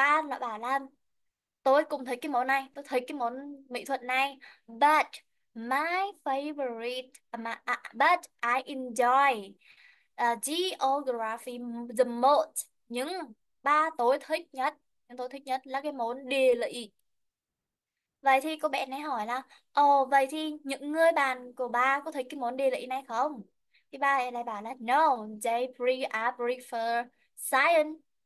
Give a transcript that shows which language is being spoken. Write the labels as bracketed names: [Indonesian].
[Vietnamese] Ba nó bảo là tôi cũng thích cái món này, tôi thích cái món mỹ thuật này. [English] But my favorite, but I enjoy geography the most. [Vietnamese] Nhưng ba tôi thích nhất, nhưng tôi thích nhất là cái món địa lý. Vậy thì cô bé này hỏi là, vậy thì những người bạn của ba có thích cái món địa lý này không? Thì ba ấy lại bảo là [English] no, I prefer science.